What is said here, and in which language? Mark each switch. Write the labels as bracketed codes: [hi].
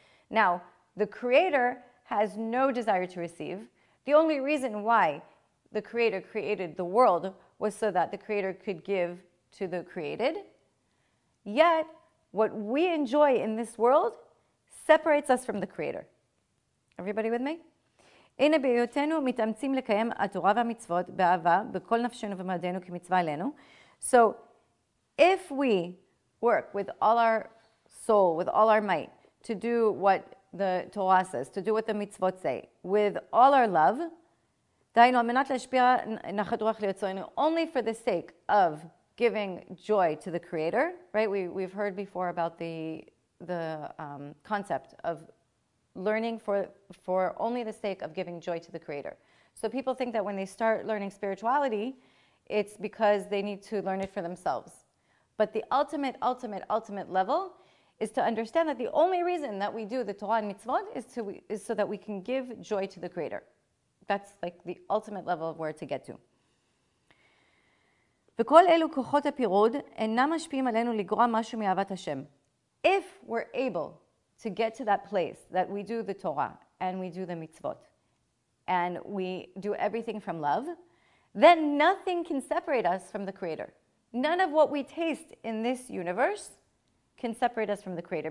[en] Now, the creator has no desire to receive. The only reason why the creator created the world was so that the creator could give to the created. Yet, what we enjoy in this world separates us from the creator. Everybody with me? [he] הנה בהיותנו מתאמצים לקיים התורה והמצוות באהבה בכל נפשנו ומעדינו כמצווה עלינו. [en] So if we work with all our soul, with all our might, to do what the Torah says, to do what the mitzvot say, with all our love, [he] דיינו, על מנת להשפיע נחת רוח ליצורנו, [en] only for the sake of giving joy to the creator, right? We've heard before about the concept of learning for only the sake of giving joy to the creator. So people think that when they start learning spirituality, it's because they need to learn it for themselves. But the ultimate level is to understand that the only reason that we do the Torah and mitzvot is so that we can give joy to the creator. That's like the ultimate level of where to get to. [he] וכל אלו כוחות הפירוד אינם משפיעים עלינו לגרוע משהו מאהבת השם. [en] If we're able to get to that place that we do the Torah and we do the mitzvot and we do everything from love, then nothing can separate us from the creator. None of what we taste in this universe can separate us from the creator.